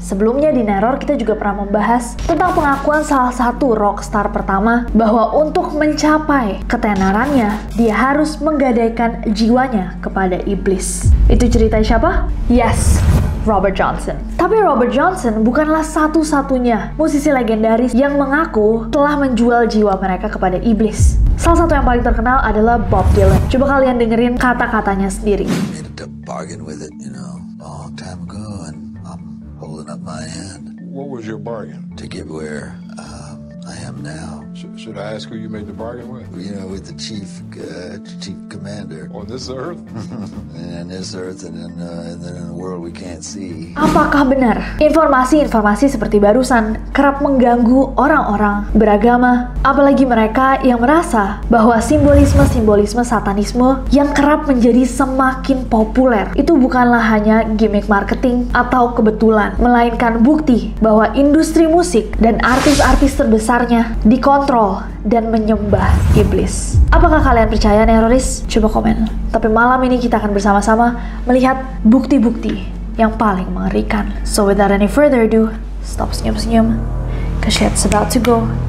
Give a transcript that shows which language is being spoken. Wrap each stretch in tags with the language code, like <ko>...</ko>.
<id>Sebelumnya di Nerror kita juga pernah membahas tentang pengakuan salah satu rockstar pertama bahwa untuk mencapai ketenarannya, dia harus menggadaikan jiwanya kepada iblis. Itu ceritanya siapa?</id> <en>Yes,</en> <id>Robert Johnson. Tapi Robert Johnson bukanlah satu-satunya musisi legendaris yang mengaku telah menjual jiwa mereka kepada iblis. Salah satu yang paling terkenal adalah Bob Dylan. Coba kalian dengerin kata-katanya sendiri.</id> <en>I made a bargain with it, you know, a long time ago, and I'm holding up my hand. What was your bargain? To get where I am now. Should I ask who you made the bargain with? You know, with the chief commander. On this earth? In this earth and then in the world we can't see.</en> <id>Apakah benar informasi-informasi seperti barusan kerap mengganggu orang-orang beragama? Apalagi mereka yang merasa bahwa simbolisme-simbolisme satanisme yang kerap menjadi semakin populer itu bukanlah hanya gimmick marketing atau kebetulan, melainkan bukti bahwa industri musik dan artis-artis terbesarnya dikontrol dan menyembah iblis. Apakah kalian percaya Nerroris? Coba komen. Tapi malam ini kita akan bersama-sama melihat bukti-bukti yang paling mengerikan.</id> <en>So without any further ado, stop</en> <id>senyum-senyum,</id> <en>'cause it's about to go.</en>